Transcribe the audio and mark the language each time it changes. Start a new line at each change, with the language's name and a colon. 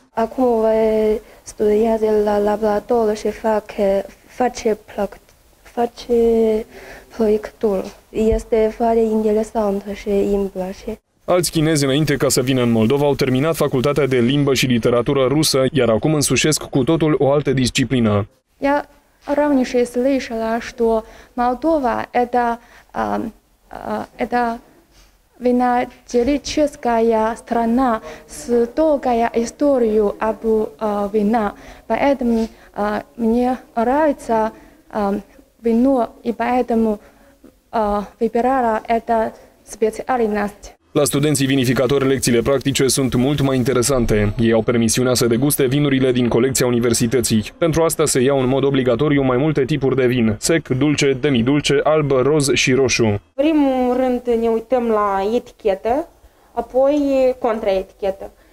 Romanian: Acum studiază la laborator și face proiectul. Este foarte interesant și îmi place. Alți chinezi, înainte ca să vină în Moldova, au terminat facultatea de limbă și literatură rusă, iar acum însușesc cu totul o altă disciplină.
Russian: Я раньше слышала, что Молдова это виноделическая страна с долгая историю об вина. Поэтому мне нравится вино и поэтому выбирала эту специальность.
Romanian: La studenții vinificatori, lecțiile practice sunt mult mai interesante. Ei au permisiunea să deguste vinurile din colecția universității. Pentru asta se iau în mod obligatoriu mai multe tipuri de vin: sec, dulce, demi-dulce, alb, roz și roșu. Primul rând ne uităm la etichetă, apoi contraetichetă.